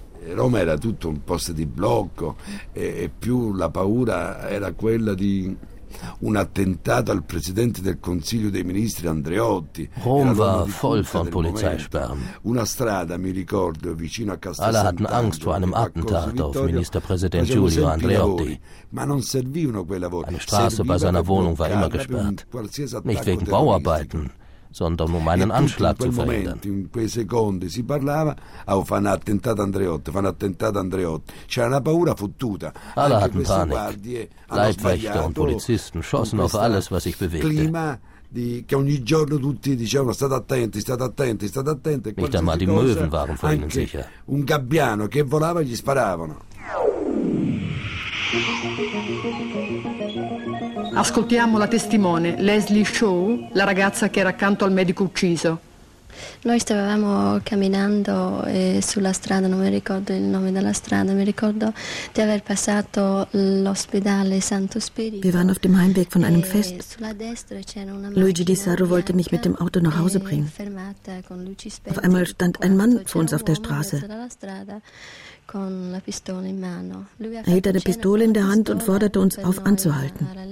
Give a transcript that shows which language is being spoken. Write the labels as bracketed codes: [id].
[it] Rom era tutto un posto di blocco e più la paura era quella di un attentato al presidente del Consiglio dei Ministri Andreotti. [de] Rom war voll von Polizeisperren. [it] Una strada, mi ricordo, vicino a Castel. [de] Alle hatten Angst vor einem Attentat auf Ministerpräsident Giulio Andreotti. [it] Ma non servivano quelle voci. [de] Eine Straße bei seiner Wohnung war immer gesperrt. Nicht wegen Bauarbeiten, sondern um einen Anschlag zu verhindern. [it] In quei secondi si parlava un attentato Andreotti, fa un attentato Andreotti. C'era una paura fottuta. [de] Alle hatten Panik. Leibwächter und Polizisten schossen auf alles, was sich bewegte. Nicht einmal die Möwen waren vor ihnen sicher. [it] Un gabbiano che volava gli sparavano. Ascoltiamo la testimone, Leslie Shaw, la ragazza che era accanto al medico ucciso. Noi stavamo camminando sulla strada, non mi ricordo il nome della strada, mi ricordo di aver passato l'ospedale Santo Spirito. [de] Wir waren auf dem Heimweg von einem Fest. Luigi Di Sarro wollte mich mit dem Auto nach Hause bringen. Auf einmal stand ein Mann vor uns auf der Straße. Er hielt eine Pistole in der Hand und forderte uns auf, anzuhalten.